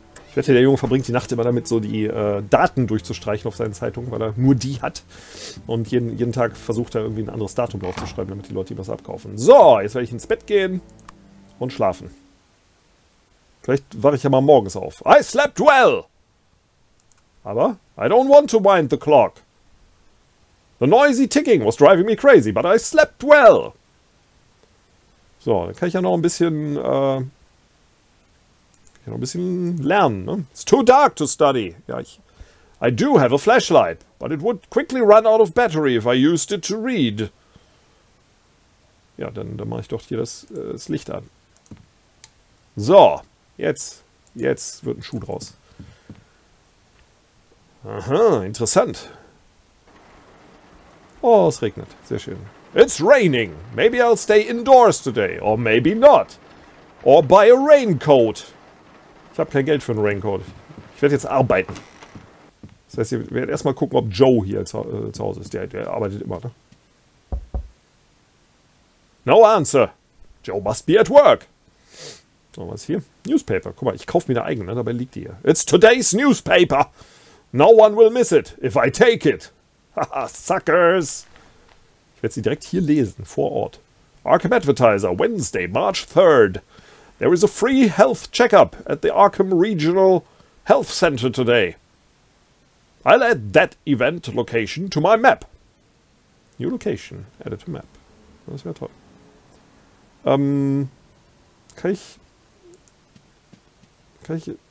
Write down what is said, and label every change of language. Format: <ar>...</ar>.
<de>Ich wette, der Junge verbringt die Nacht immer damit, so die Daten durchzustreichen auf seinen Zeitungen, weil er nur die hat. Und jeden Tag versucht er irgendwie ein anderes Datum draufzuschreiben, damit die Leute ihm was abkaufen. So, jetzt werde ich ins Bett gehen und schlafen. Vielleicht wache ich ja mal morgens auf.</de> <en>I slept well! Aber I don't want to wind the clock. The noisy ticking was driving me crazy, but I slept well.</en> <de>So, dann kann ich ja noch ein bisschen, lernen, ne?</de> <en>It's too dark to study. Ja, I do have a flashlight, but it would quickly run out of battery if I used it to read.</en> <de>Ja, dann mache ich doch hier das Licht an. So. Jetzt wird ein Schuh draus. Aha, interessant. Oh, es regnet. Sehr schön.</de> <en>It's raining. Maybe I'll stay indoors today. Or maybe not. Or buy a raincoat.</en> <de>Ich habe kein Geld für einen Raincoat. Ich werde jetzt arbeiten. Das heißt, ich werde erstmal gucken, ob Joe hier zu Hause ist. Der arbeitet immer, ne?</de> <en>No answer. Joe must be at work.</en> <de>So, was hier? Newspaper. Guck mal, ich kaufe mir eine eigene, dabei liegt die hier.</de> <en>It's today's newspaper. No one will miss it, if I take it. Haha, suckers.</en> <de>Ich werde sie direkt hier lesen, vor Ort.</de> <en>Arkham Advertiser, Wednesday, March 3rd. There is a free health checkup at the Arkham Regional Health Center today. I'll add that event location to my map. New location, added to map.</en> <de>Das wäre toll. Kann ich,</de>